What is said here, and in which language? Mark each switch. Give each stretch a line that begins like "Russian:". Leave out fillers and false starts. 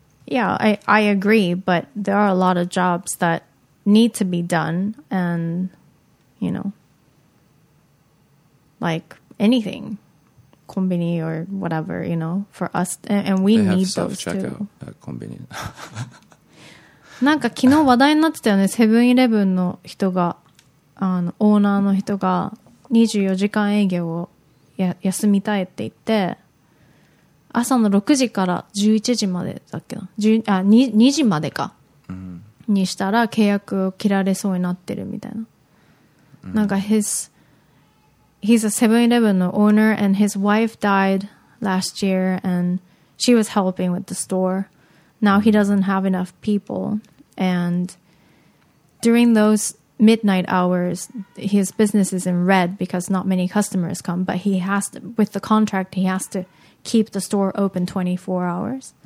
English: Yeah, I agree, but there are a lot of jobs that need to be done, and, you know, like anything, konbini or whatever, you know, for us, and we need those too. They have self-checkout at konbini.
Japanese: なんか昨日話題になってたよね、セブンイレブンの人が、あの、オーナーの人が24時間営業を休みたいって言って、朝の6時から11時までだっけな、あ 2時までか、 mm-hmm. にしたら契約を切られそうになってるみたいな、mm-hmm. なんか
English: he's a 7-Eleven
Japanese: の
English: owner and his wife died last year and she was helping with the store. Now he doesn't have enough people and during those midnight hours his business is in red because not many customers come, but he has to, with the contract he has toKeep the store open 24 hours.